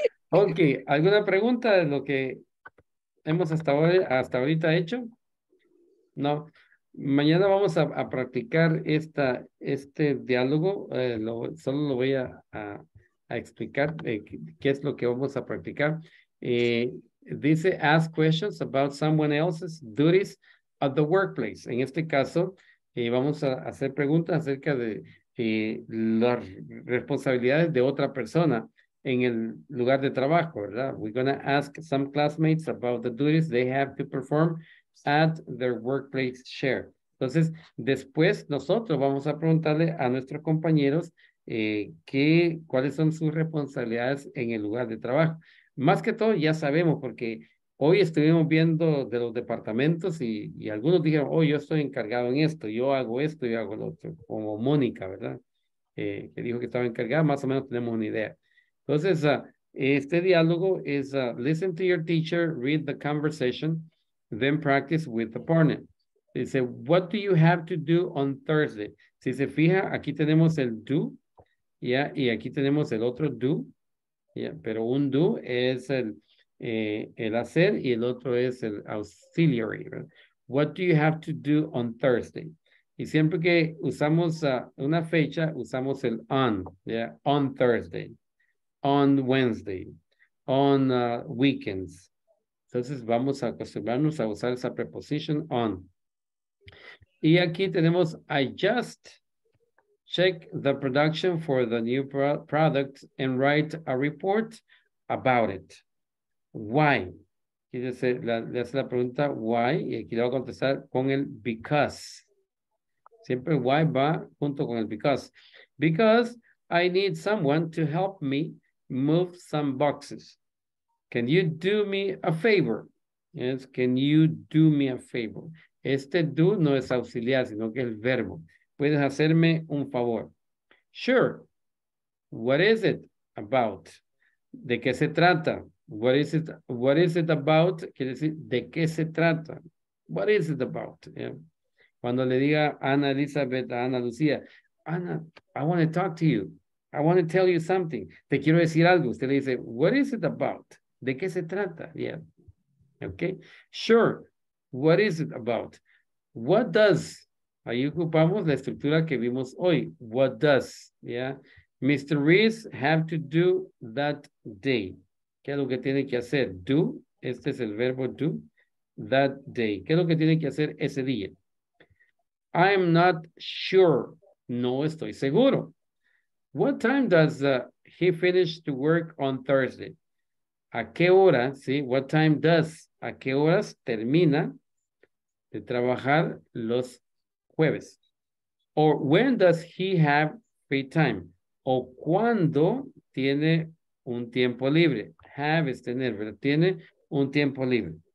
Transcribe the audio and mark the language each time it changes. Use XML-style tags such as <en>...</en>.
<es>Ok, ¿alguna pregunta de lo que hemos hasta ahorita hecho? No. Mañana vamos a practicar este diálogo. Solo lo voy a explicar qué es lo que vamos a practicar.</es> <en>Dice, ask questions about someone else's duties at the workplace.</en> <es>En este caso, vamos a hacer preguntas acerca de las responsabilidades de otra persona en el lugar de trabajo, ¿verdad?</es> <en>We're going to ask some classmates about the duties they have to perform at their workplace share.</en> <es>Entonces, después nosotros vamos a preguntarle a nuestros compañeros cuáles son sus responsabilidades en el lugar de trabajo. Más que todo, ya sabemos, porque hoy estuvimos viendo de los departamentos y algunos dijeron, oh, yo estoy encargado en esto, yo hago lo otro, como Mónica, ¿verdad? Que dijo que estaba encargada, más o menos tenemos una idea. Entonces, este diálogo es,</es> <en>listen to your teacher, read the conversation, then practice with the partner. Dice, what do you have to do on Thursday?</en> <es>Si se fija, aquí tenemos el do, ¿ya? Y aquí tenemos el otro do, ¿ya? Pero un do es el hacer y el otro es el auxiliary, ¿verdad?</es> <en>What do you have to do on Thursday?</en> <es>Y siempre que usamos una fecha, usamos el on, ¿ya?</es> <en>On Thursday, on Wednesday, on weekends.</en> <es>Entonces vamos a acostumbrarnos a usar esa preposición on. Y aquí tenemos,</es> <en>I just check the production for the new product and write a report about it.</en> <es>Why? Y le hace la pregunta, why? Y aquí le va a contestar con el because. Siempre why va junto con el because.</es> <en>Because I need someone to help me move some boxes. Can you do me a favor? Yes, can you do me a favor?</en> <es>Este do no es auxiliar, sino que es el verbo. ¿Puedes hacerme un favor?</es> <en>Sure. What is it about?</en> <es>¿De qué se trata?</es> <en>What is it about?</en> <es>Quiere decir, ¿de qué se trata?</es> <en>What is it about?</en> <es>Yeah. Cuando le diga Ana Elizabeth a Ana Lucía, Ana,</es> <en>I want to talk to you. I want to tell you something.</en> <es>Te quiero decir algo. Usted le dice,</es> <en>what is it about?</en> <es>¿De qué se trata?</es> <en>Yeah. Okay. Sure. What is it about? What does?</en> <es>Ahí ocupamos la estructura que vimos hoy.</es> <en>What does? Yeah. Mr.</en> <es>Reese</es> <en>have to do that day.</en> <es>¿Qué es lo que tiene que hacer? Do. Este es el verbo do. That day. ¿Qué es lo que tiene que hacer ese día?</es> <en>I am not sure.</en> <es>No estoy seguro.</es> <en>What time does he finish to work on Thursday?</en> <es>¿A qué hora? ¿Sí?</es> <en>What time does?</en> <es>¿A qué horas termina de trabajar los jueves?</es> <en>Or when does he have free time?</en> <es>¿O cuándo tiene un tiempo libre? Have es tener, ¿verdad? Tiene un tiempo libre.</es>